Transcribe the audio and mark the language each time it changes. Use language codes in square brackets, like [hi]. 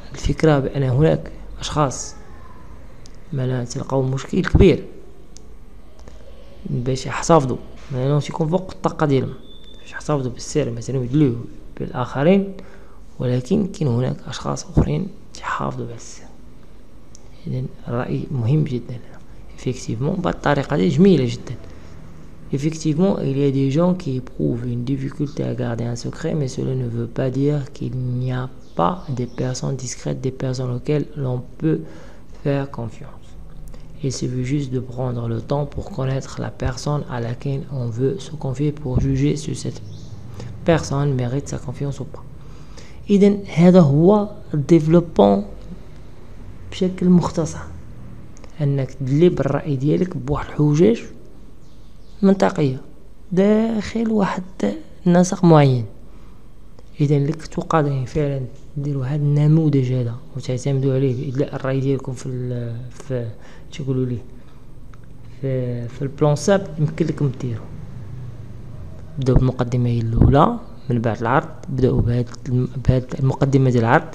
[ar] الفكرة بأن هناك أشخاص ما لا تلقوا مشكل كبير باش يحتفظوا ما لانوش يكون فوق الطاقة ديالهم باش يحتفظوا بالسر مثلا يدلوه بالآخرين، ولكن كاين هناك أشخاص أخرين تحافظوا بالسر. إذا الرأي مهم جدا effectivement بهذه الطريقة دي جميلة جدا. [fr] Effectivement, il y a des gens qui éprouvent une difficulté à garder un secret, mais cela ne veut pas dire qu'il n'y a pas des personnes discrètes, des personnes auxquelles l'on peut faire confiance. Il suffit juste de prendre le temps pour connaître la personne à laquelle on veut se confier pour juger si cette personne mérite sa confiance ou pas. Et donc, c'est le développement de façon libre de l'idée [ar] منطقية داخل واحد نسق معين. إذن لك تقدر فعلا تدير واحد النموذج هذا وتعتمد عليه بإدلاء الرأي ديالكم في الـ في تقولوا لي في في البلان ساب يمكن لكم ديرو. بدأوا بالمقدمة الأولى من بعد العرض، بدأوا بهاد المقدمة ديال العرض.